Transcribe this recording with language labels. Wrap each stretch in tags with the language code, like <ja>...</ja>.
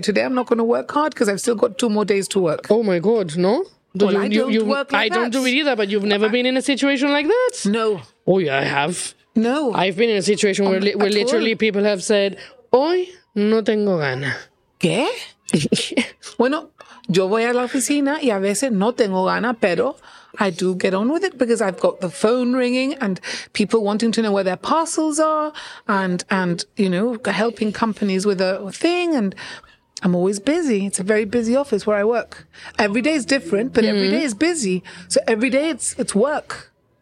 <en>Today I'm not going to work hard because I've still got 2 more days to work. Oh, my God. No? Well, I don't work like that. I don't do it either, but you've never been in a situation like that? No. Oh, yeah, I have. No. I've been in a situation where literally people have said,</en> <es>hoy no tengo gana. ¿Qué? Bueno, yo voy a la oficina y a veces no tengo gana, pero...</es> <en>I do get on with it because I've got the phone ringing and people wanting to know where their parcels are and you know, helping companies with a thing. And I'm always busy. It's a very busy office where I work. Every day is different, but every day is busy. So every day it's work.</en>